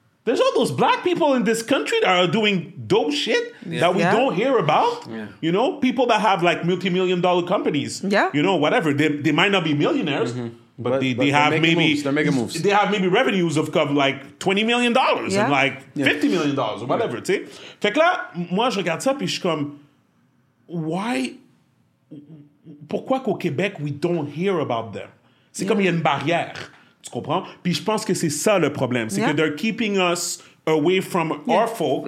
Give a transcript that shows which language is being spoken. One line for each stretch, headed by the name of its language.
English: There's all those Black people in this country that are doing dope shit that we don't hear about. Yeah. You know, people that have like multi-million dollar companies. Yeah. You know, whatever. They might not be millionaires, mm-hmm. but they're making moves. They have maybe revenues of like $20 million and like $50 million or whatever. Yeah.
French: Fait que là, moi, je regarde ça puis je suis comme,
English: why?
French: Pourquoi qu'au Québec,
English: we don't hear about them?
French: C'est comme il y a une barrière. Tu comprends? Puis je pense que c'est ça le problème. C'est que
English: they're keeping us away from our folk.